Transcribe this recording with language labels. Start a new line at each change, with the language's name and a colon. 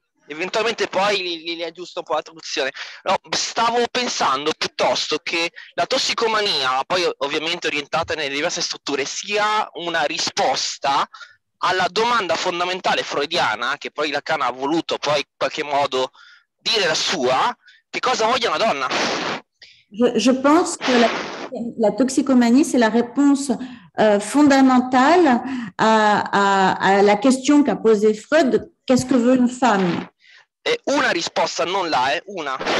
Italian: Eventualmente poi gli aggiusto un po' la traduzione. No, stavo pensando piuttosto che la tossicomania, poi ovviamente orientata nelle diverse strutture, sia una risposta alla domanda fondamentale freudiana, che poi Lacan ha voluto poi in qualche modo dire la sua, che cosa voglia una donna?
French: Je pense que la toxicomanie, c'est la réponse fondamentale à la question qu'a posé Freud, qu'est-ce que veut une femme?
Italian: È una risposta, non là, è una.